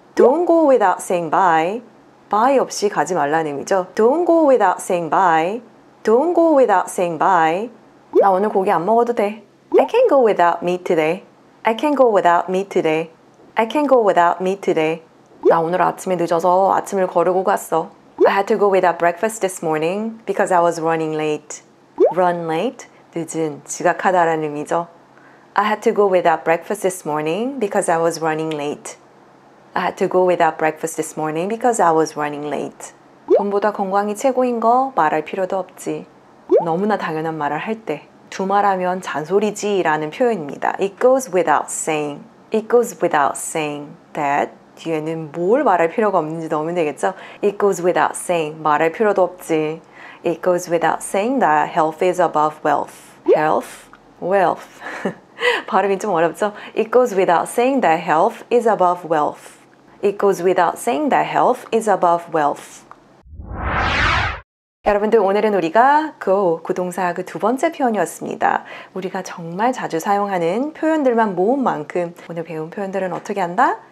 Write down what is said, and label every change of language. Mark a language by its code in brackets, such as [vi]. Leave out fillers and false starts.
[en] Don't go without saying bye. Bye [ko] 없이 가지 말라는 의미죠. [en] Don't go without saying bye. Don't go without saying bye. [ko] 나 오늘 고기 안 먹어도 돼. [en] I can go without meat today. I can go without meat today. I can go without meat today. [ko] 나 오늘 아침에 늦어서 아침을 거르고 갔어. [en] I had to go without breakfast this morning because I was running late. Run late? [ko] 늦은, 지각하다 라는 의미죠. [en] I had to go without breakfast this morning because I was running late. I had to go without breakfast this morning because I was running late. [ko] 돈보다 건강이 최고인 거 말할 필요도 없지. 너무나 당연한 말을 할 때 두말하면 잔소리지 라는 표현입니다. [en] It goes without saying. It goes without saying that [ko] 뒤에는 뭘 말할 필요가 없는지 넣으면 되겠죠? [en] It goes without saying. [ko] 말할 필요도 없지. [en] It goes without saying that health is above wealth. [ko] Health? Wealth. 발음이 좀 어렵죠? [en] It goes without saying that health is above wealth. It goes without saying that health is above wealth. [ko] 여러분들, 오늘은 우리가 go, 구동사 그 두 번째 표현이었습니다. 우리가 정말 자주 사용하는 표현들만 모은 만큼 오늘 배운 표현들은 어떻게 한다?